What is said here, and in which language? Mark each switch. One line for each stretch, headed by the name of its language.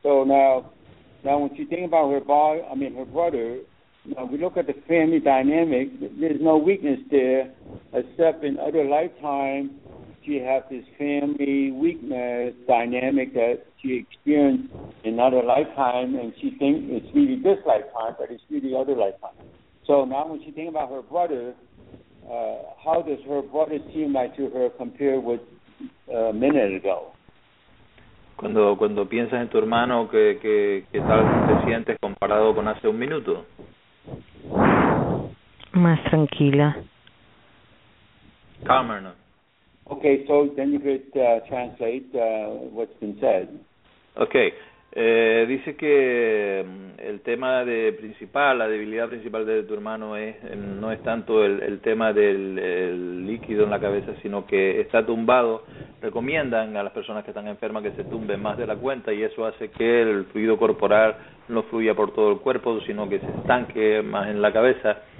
English: So now when you think about her brother, now we look at the family dynamic, there's no weakness there, except in other lifetimes, she has this family weakness dynamic that she experienced in another lifetime, and she thinks it's really this lifetime, but it's really other lifetime. So now when she thinks about her brother, how does her brother seem like to her compared with a minute ago?
Spanish: Cuando piensas en tu hermano, ¿qué tal te sientes comparado con hace un minuto? Más tranquila.
English: Calmer, ¿no? Okay, so then you could translate what's been said. Okay,
Spanish: Dice que el tema de principal, la debilidad principal de tu hermano es no es tanto el tema del el líquido en la cabeza, sino que está tumbado. Recomiendan a las personas que están enfermas que se tumben más de la cuenta y eso hace que el fluido corporal no fluya por todo el cuerpo, sino que se estanque más en la cabeza.